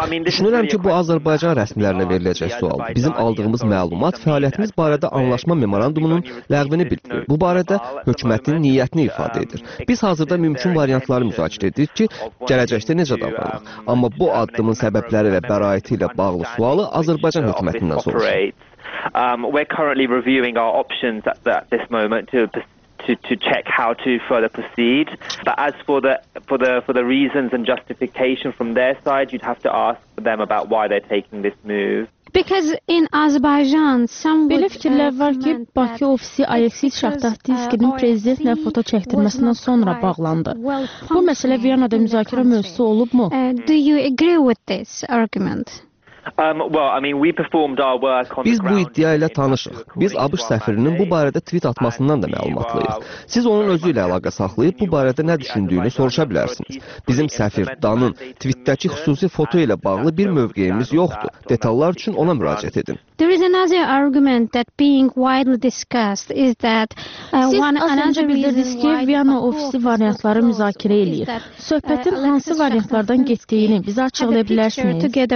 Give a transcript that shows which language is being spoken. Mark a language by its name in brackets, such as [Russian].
[Azerbaijani] Düşünürəm ki, bu Azərbaycan rəsmilərinə veriləcək sual. Bizim aldığımız məlumat fəaliyyətimiz barədə anlaşma memorandumunun ləğvini bildirir. Bu barədə hökumətin niyyətini ifadə edir. Biz hazırda mümkün variantları müzakirə edirik ki, gələcəkdə necə davranırıq. Amma bu addımın səbəbləri və bəraiti ilə bağlı sualı Azərbaycan hökumətindən soruşur. [English] We're currently reviewing our options at this moment to check how to further proceed. But as for the reasons and justification from their side, you'd have to ask them about why they're taking this move. Because in Azerbaijan, some [Azerbaijani] belə fikirlər var ki, Bakı ofisi Alexis Şahtahtinskinin prezidentlə foto çəkdirməsindən sonra bağlandı. Bu məsələ Viyana'da müzakirə mövzusu olubmu? [English] Do you agree with this argument? [Azerbaijani] Biz bu iddia ilə tanışıq. Biz ABŞ səfirinin bu barədə tweet atmasından da məlumatlıyıq. Siz onun özü ilə əlaqə saxlayıb bu barədə nə düşündüyünü soruşa bilərsiniz. Bizim səfir Danın tweetdəki xüsusi foto ilə bağlı bir mövqeyimiz yoxdur. Detallar üçün ona müraciət edin. [English] There is another argument that being widely discussed is that [Azerbaijani] another bildirdiniz ki, Viyana ofisi variantları müzakirə edir. Söhbətin hansı variantlardan getdiyini bizə açıqlaya bilərsiniz?